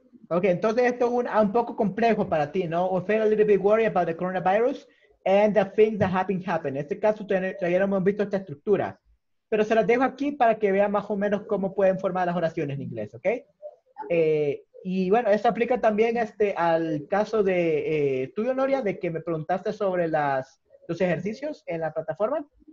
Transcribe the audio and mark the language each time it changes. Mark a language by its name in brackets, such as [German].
[Spanish] Okay, entonces esto es un poco complejo para ti, ¿no? [English] O feel a little bit worried about the coronavirus and the things that have been happening. [Spanish] En este caso, todavía no hemos visto esta estructura. Pero se las dejo aquí para que vean más o menos cómo pueden formar las oraciones en inglés, okay? Y bueno, esto aplica también al caso de tuyo, Noria, de que me preguntaste sobre los ejercicios en la plataforma.